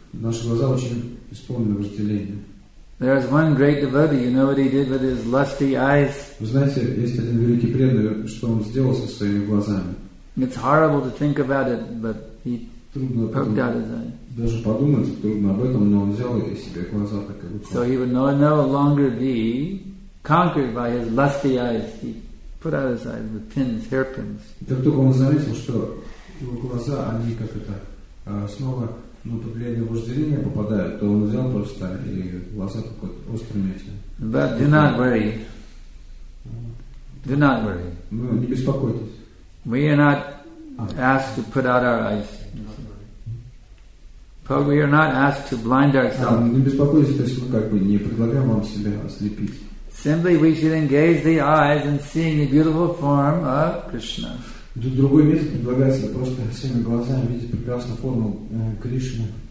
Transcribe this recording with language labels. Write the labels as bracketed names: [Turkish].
[Russian] Наши глаза очень исполнены вожделения. [English] There is one great devotee. You know what he did with his lusty eyes? [Russian] Вы знаете, есть один великий преданный, что он сделал со своими глазами. [English] It's horrible to think about it, but he poked out his eye. [Russian] Даже подумать трудно об этом, но он взял и себе глаза так и вот. [English] So he would no longer be conquered by his lusty eyes. He put out his eyes with pins, hairpins. [Russian] Так только он заметил, что его глаза, они как это снова. Ну, под влияние вожделения попадают, то он взял просто и глаза такой острыми этим. [English] But do not worry. Do not worry. [Russian] Ну, не беспокойтесь. [English] We are not asked to put out our eyes. But we are not asked to blind ourselves. [Russian] Не беспокойтесь, то есть мы как бы не предлагаем вам себя ослепить. [English] Simply we should engage the eyes in seeing the beautiful form of Krishna. [Russian] Другой метод предлагается просто всеми глазами видеть прекрасную форму Кришны.